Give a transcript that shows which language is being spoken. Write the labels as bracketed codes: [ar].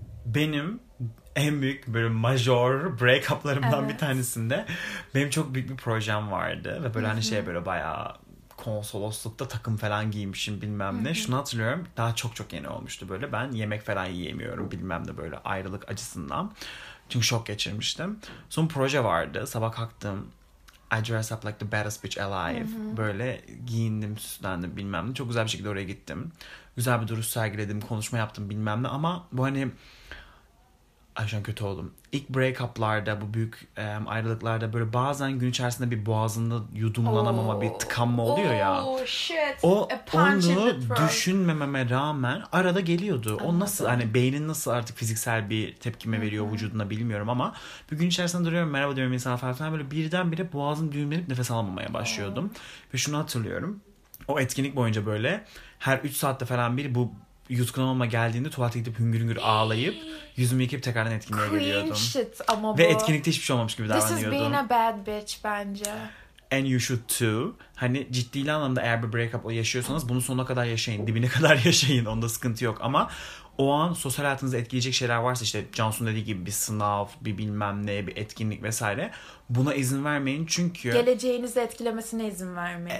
[tr] Benim en büyük böyle major breakuplarımdan evet. bir tanesinde benim çok büyük bir projem vardı. Ve böyle hani şey böyle bayağı konsoloslukta takım falan giymişim bilmem ne. Şunu hatırlıyorum, daha çok çok yeni olmuştu böyle. Ben yemek falan yiyemiyorum bilmem ne böyle ayrılık acısından. Çünkü şok geçirmiştim. Sonra proje vardı. Sabah kalktım. [en] I dress up like the baddest bitch alive. [tr] Böyle giyindim, süslendim bilmem ne. Çok güzel bir şekilde oraya gittim. Güzel bir duruş sergiledim. Konuşma yaptım bilmem ne. Ama bu hani... Ay şu an kötü oldum. İlk breakuplarda, bu büyük ayrılıklarda böyle bazen gün içerisinde bir boğazında yudumlanamama, bir tıkanma oluyor ya. O onu düşünmememe rağmen arada geliyordu. Anladım. O nasıl, hani beynin nasıl artık fiziksel bir tepkime veriyor vücuduna bilmiyorum ama bir gün içerisinde duruyorum, merhaba diyorum insana falan, böyle birdenbire boğazım düğümlenip nefes alamamaya başlıyordum. Ve şunu hatırlıyorum. O etkinlik boyunca böyle her 3 saatte falan bir bu yutkunamama geldiğinde tuvalete gidip hüngür hüngür ağlayıp yüzümü yıkayıp tekrardan etkinliğe [en] Queen [tr] geliyordum. [en] Shit [tr] ama bu. Ve etkinlikte hiçbir şey olmamış gibi davranıyordum. [en] This is being a bad bitch [tr] bence. [en] And you should too. [tr] Hani ciddi anlamda eğer bir breakup yaşıyorsanız bunu sonuna kadar yaşayın. Dibine kadar yaşayın. Onda sıkıntı yok ama o an sosyal hayatınızı etkileyecek şeyler varsa, işte Cansu'nun dediği gibi bir sınav, bir bilmem ne, bir etkinlik vesaire, buna izin vermeyin çünkü... Geleceğinizi etkilemesine izin vermeyin.